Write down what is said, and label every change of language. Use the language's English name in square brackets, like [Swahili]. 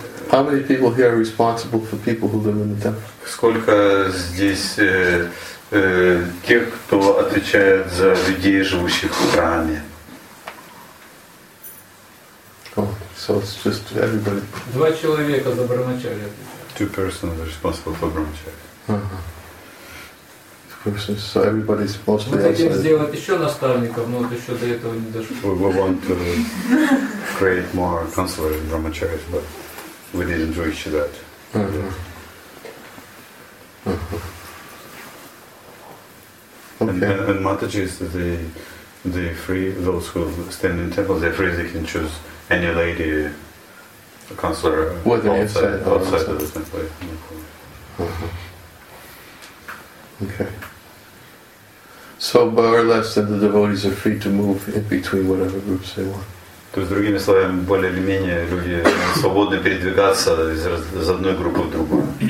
[English] How many people here are responsible for people who live in the temple? [Russian] Сколько здесь тех, кто отвечает за людей, живущих в храме? [English] So it's just everybody. [Russian] Два человека за брахмачари. [English] Two persons responsible for brahmachari. Uh-huh. Persons, so everybody's supposed to. [Russian] Мы хотим сделать еще наставников, но вот еще до этого не дошло. [English] We want to create more counselors in brahmachari, but we didn't reach that. Okay. And Mataji is the free, those who stand in temples, they're free, they can choose any lady, a counselor, with an outside of the temple. Okay. So more or less that the devotees are free to move in between whatever groups they want. [Russian] То есть, другими словами, более или менее люди свободны передвигаться из одной группы в другую.